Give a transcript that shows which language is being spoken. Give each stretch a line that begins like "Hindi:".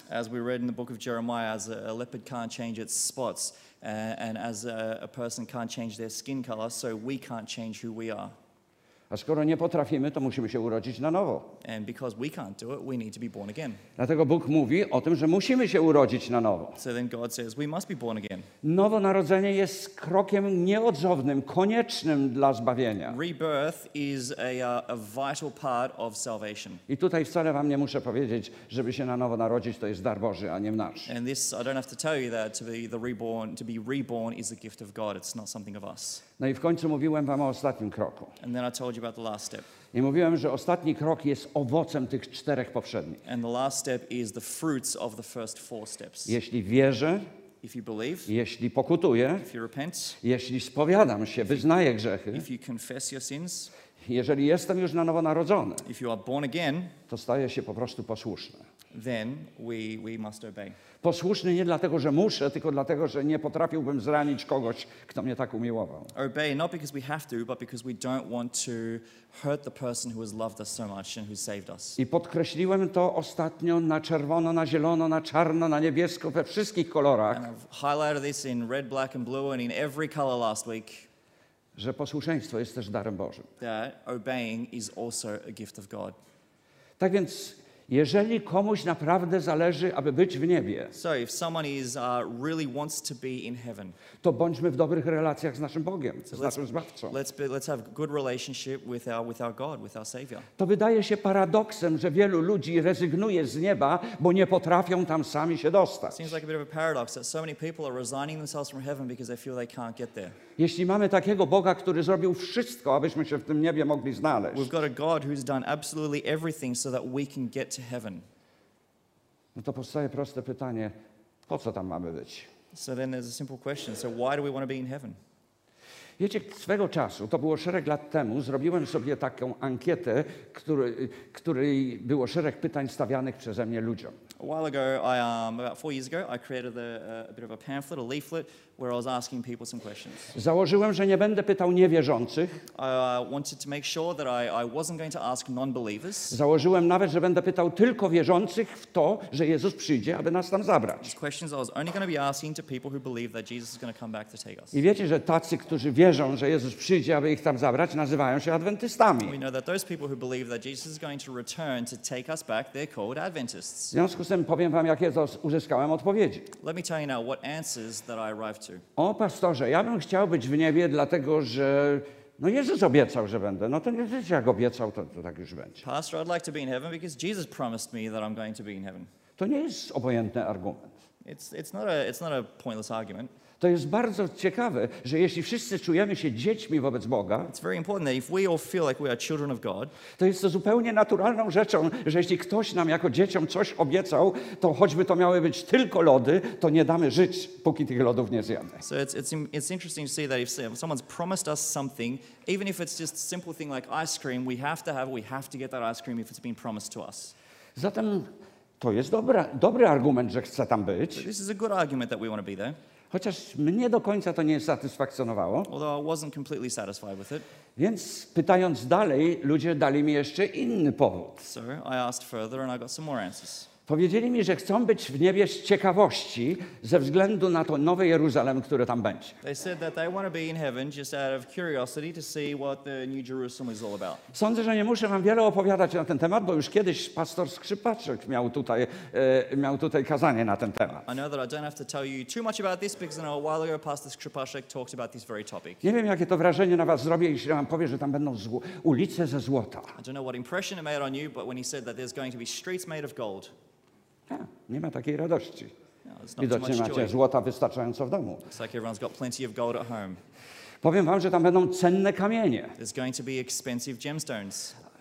English: As we read in the book of Jeremiah, as a leopard can't change its spots, and as a person can't change their skin color, so we can't change who we are.
Polish: A skoro nie potrafimy, to musimy się urodzić na nowo.
English: And because we can't do it, we need to be born again.
Polish: Dlatego Bóg mówi o tym, że musimy się urodzić na nowo.
English: So then God says we must be born again.
Polish: Nowonarodzenie jest krokiem nieodzownym, koniecznym dla zbawienia.
English: Rebirth is a vital part of salvation.
Polish: I tutaj wcale wam nie muszę powiedzieć, żeby się na nowo narodzić, to jest dar Boży, a nie nasz.
English: And this I don't have to tell you that to be reborn is a gift of God. It's not something of us.
Polish: No i w końcu mówiłem wam o ostatnim kroku.
English: And then I told you about the last step.
Polish: I mówiłem, że ostatni krok jest owocem tych czterech poprzednich.
English: And the last step is the fruits of the first four steps.
Polish: Jeśli wierzę,
English: if you believe,
Polish: jeśli pokutuję,
English: if you repent,
Polish: jeśli spowiadam się, wyznaję grzechy,
English: if you confess your sins,
Polish: jeżeli jestem już na nowo narodzony,
English: if you are born again,
Polish: to staję się po prostu posłuszny.
English: Then we must obey.
Polish: Posłuszny nie dlatego, że muszę, tylko dlatego, że nie potrafiłbym zranić kogoś, kto mnie tak umiłował.
English: Obey not because we have to, but because we don't want to hurt the person who has loved us so much and who saved us.
Polish: I podkreśliłem to ostatnio na czerwono, na zielono, na czarno, na niebiesko, we wszystkich kolorach.
English: And I've highlighted this in red, black and blue and in every color last week.
Polish: Że posłuszeństwo jest też darem Bożym.
English: That obeying is also a gift of God.
Polish: Tak więc jeżeli komuś naprawdę zależy, aby być w niebie,
English: so if someone is, really wants to be in heaven,
Polish: to bądźmy w dobrych relacjach z naszym Bogiem, z naszym Zbawcą.
English: Let's have good relationship with our God, with our Savior.
Polish: To wydaje się paradoksem, że wielu ludzi rezygnuje z nieba, bo nie potrafią tam sami się dostać.
English: Seems like a bit of a paradox that so many people are resigning themselves from heaven because they feel they can't get there.
Polish: Jeśli mamy takiego Boga, który zrobił wszystko, abyśmy się w tym niebie mogli znaleźć,
English: we've got a God who's done absolutely everything so that we can get to heaven.
Polish: No to powstaje proste pytanie, po co tam mamy być?
English: So then there's a simple question. So why do we want to be in heaven?
Polish: Wiecie, swego czasu, to było szereg lat temu, zrobiłem sobie taką ankietę, której było szereg pytań stawianych przeze mnie ludziom.
English: A while ago, about 4 years ago, I created a bit of a pamphlet, a leaflet, where I was asking people some questions.
Polish: Założyłem, że nie będę pytał niewierzących.
English: I wanted to make sure that I wasn't going to ask non-believers.
Polish: Założyłem nawet, że będę pytał tylko wierzących w to, że Jezus przyjdzie, aby nas tam zabrać.
English: These questions I was only going to be asking to people who believe that Jesus is going to come back to take us.
Polish: I wiecie, że tacy, którzy wierzą, że Jezus przyjdzie, aby ich tam zabrać, nazywają się adwentystami.
English: We know that those people who believe that Jesus is going to return to take us back, they're called Adventists.
Polish: W związku z tym powiem wam, jakie uzyskałem odpowiedzi.
English: Let me tell you now what answers that I arrived.
Polish: O pastorze, ja bym chciał być w niebie, dlatego że no Jezus obiecał, że będę. No to nie wiecie, jak obiecał, to tak już będzie.
English: Pastor, I'd like to be in heaven because Jesus promised me that I'm going to be in heaven.
Polish: To nie jest obojętny argument.
English: It's not a pointless argument.
Polish: To jest bardzo ciekawe, że jeśli wszyscy czujemy się dziećmi wobec Boga,
English: it's very important that if we all feel like we are children of God,
Polish: to jest to zupełnie naturalną rzeczą, że jeśli ktoś nam jako dzieciom coś obiecał, to choćby to miały być tylko lody, to nie damy żyć, póki tych lodów nie zjemy.
English: So it's interesting to see that if someone's promised us something, even if it's just a simple thing like ice cream, we have to get that ice cream if it's been promised to us.
Polish: Zatem to jest dobry argument, że chcę tam być.
English: So this is a good argument that we want to be there.
Polish: Chociaż mnie do końca to nie satysfakcjonowało.
English: Although I wasn't completely satisfied with it.
Polish: Więc pytając dalej, ludzie dali mi jeszcze inny powód.
English: So I asked further and I got some more answers.
Polish: Powiedzieli mi, że chcą być w niebie z ciekawości ze względu na to nowe Jeruzalem, które tam będzie.
English: They said that they want to be in heaven just out of curiosity to see what the new Jerusalem is all about.
Polish: Sądzę, że nie muszę wam wiele opowiadać na ten temat, bo już kiedyś pastor Skrzypaczek miał tutaj kazanie na ten temat.
English: I know that I don't have to tell you too much about this because a while ago pastor Skrzypaczek talked about this very topic.
Polish: Nie wiem, jakie to wrażenie na was zrobi, jeśli wam powie, że tam będą ulice ze złota.
English: I don't know what impression it made on you, but when he said that there's going to be streets made of gold.
Polish: Nie ma takiej radości. No, widocznie macie złota wystarczająco w domu.
English: It's like everyone's got plenty of gold at home.
Polish: Powiem wam, że tam będą cenne kamienie.
English: There's going to be expensive gemstones.